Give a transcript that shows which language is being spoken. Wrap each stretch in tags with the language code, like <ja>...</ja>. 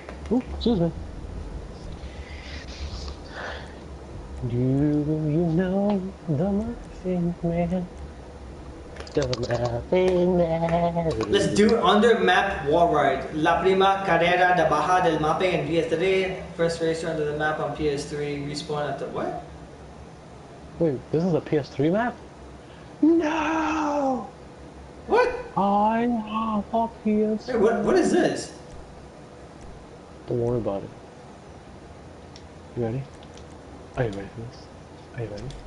<en>Ooh, excuse me. You know the laughing man. The laughing man. Let's do under map wall ride.</en> <es>La prima carrera de baja del mapa en PS3.</es> <en>First race under the map on PS3. Respawn at the what? Wait, this is a PS3 map? No! What? I have a PS3. Hey, what is this? Don't worry about it. You ready? Are you ready for this? Are you ready?</en>